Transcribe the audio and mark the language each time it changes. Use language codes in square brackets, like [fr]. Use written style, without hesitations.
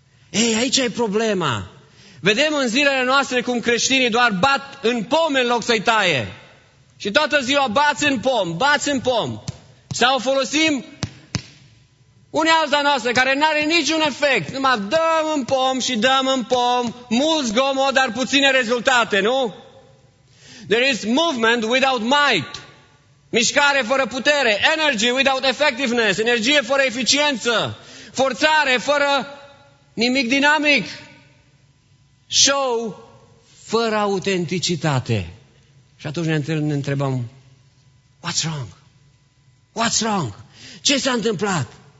[ro] Ei, aici e problema. Vedem în zilele noastre cum creștinii doar bat în pom în loc să-i taie. Și toată ziua bați în pom. Sau folosim unealta noastră care n-are niciun efect. Numai dăm în pom și dăm în pom, mult zgomot, dar puține rezultate, nu? [en] There is movement without might. [ro] Mișcare fără putere. [en] Energy without effectiveness. [ro] Energie fără eficiență. Forțare fără nimic dinamic. Show fără autenticitate. Și atunci ne întrebăm, [en] What's wrong? [ro] Ce s-a întâmplat?